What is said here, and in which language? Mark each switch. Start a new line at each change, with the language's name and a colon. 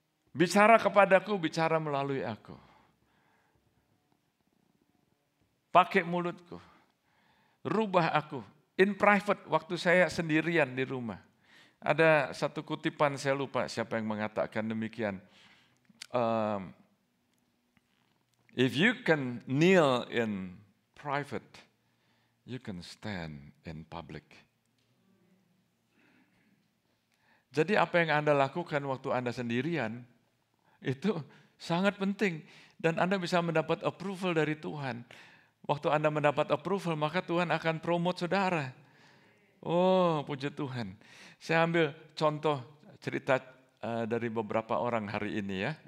Indonesian: Bicara kepadaku, bicara melalui aku. Pakai mulutku, rubah aku.
English: In private,
Indonesian: waktu saya sendirian di rumah. Ada satu kutipan, saya lupa siapa yang mengatakan demikian.
English: If you can kneel in private, you can stand in public.
Indonesian: Jadi apa yang Anda lakukan waktu Anda sendirian, itu sangat penting. Dan Anda bisa mendapat approval dari Tuhan. Waktu Anda mendapat approval, maka Tuhan akan promote saudara. Oh, puji Tuhan. Saya ambil contoh cerita dari beberapa orang hari ini ya.